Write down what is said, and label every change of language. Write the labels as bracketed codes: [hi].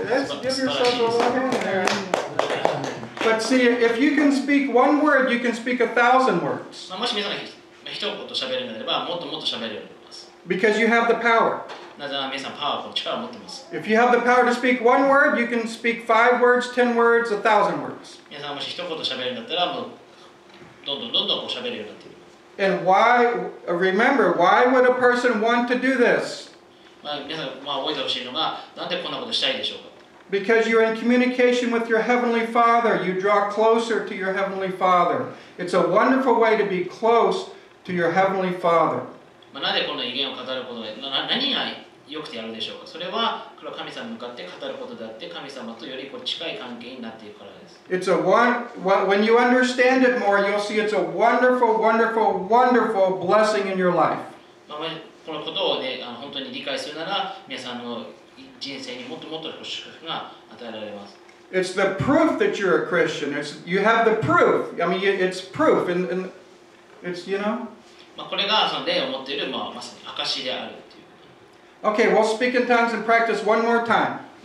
[en] Let's give yourself a little hand there. But see, if you can speak one word, you can speak 1,000 words. [ja] 一言喋るのであればもっと喋るようになります。 [en] Because you have the power. [ja] なぜなら皆さんパワーと力を持っています。 [en] If you have the power to speak one word, you can speak 5 words, 10 words, 1,000 words. [ja] 皆さんもし一言喋るんだったらもうどんどんこう喋るようになっています。 [en] And why? Remember, why would a person want to do this? [ja] まあ皆さんまあ覚えてほしいのがなんでこんなことしたいでしょうか。 [en] Because you're in communication with your Heavenly Father, you draw closer to your Heavenly Father. It's a wonderful way to be close. To your Heavenly Father. [ja] まあ、なぜこの異言を語ることで何が良くてやるでしょうか。それは神様に向かって語ることであって神様とよりこう近い関係になっているからです。 [en] It's a when you understand it more, you'll see it's a wonderful, wonderful, wonderful blessing in your life. [ja] まあ、このことを、ね、本当に理解するなら皆さんの人生にもっと祝福が与えられます。 [en] It's the proof that you're a Christian. It's you have the proof. I mean, it's proof in It's, you know? [ja] まあ、これがその霊を持っている、まあ、まさに証であるっていう。 [en] Okay, we'll speak in tongues and practice one more time.